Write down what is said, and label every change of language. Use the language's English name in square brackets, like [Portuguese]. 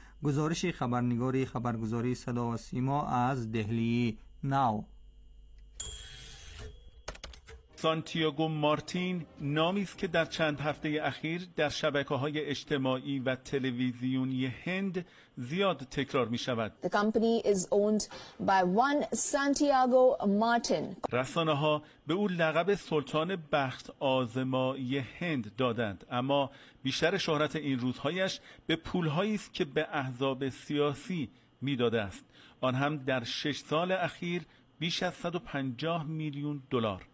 [Persian] گزارش خبرنگاری خبرگزاری صدا و سیما از دهلی نو. سانتیاگو مارتین نامی است که در چند هفته اخیر در شبکه‌های اجتماعی و تلویزیونی هند زیاد تکرار می‌شود. [English] The company is owned by one Santiago Martin. [Persian] رسانه‌ها به او لقب سلطان بخت آزمایی هند دادند، اما بیشتر شهرت این روزهایش به پول‌هایی است که به احزاب سیاسی می‌داده است. آن هم در 6 سال اخیر بیش از 150 میلیون دلار.